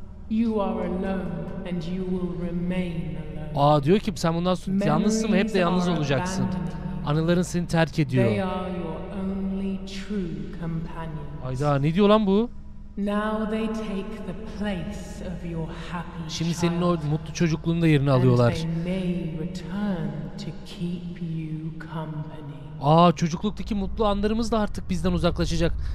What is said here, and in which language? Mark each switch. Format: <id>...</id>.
<en>You are alone and you will remain alone.</en> <tr>Aa diyor ki sen bundan sonra yalnızsın ve hep de yalnız olacaksın. Anıların seni terk ediyor.</tr> <en>They are your only true companions.</en> <tr>Hayda ne diyor lan bu?</tr> <en>Now they take the place of your happy childhood.</en> <tr>Şimdi senin o mutlu çocukluğunu da yerine alıyorlar.</tr> <en>And they may return to keep you company.</en> <tr>Aa çocukluktaki mutlu anlarımız da artık bizden uzaklaşacak.</tr>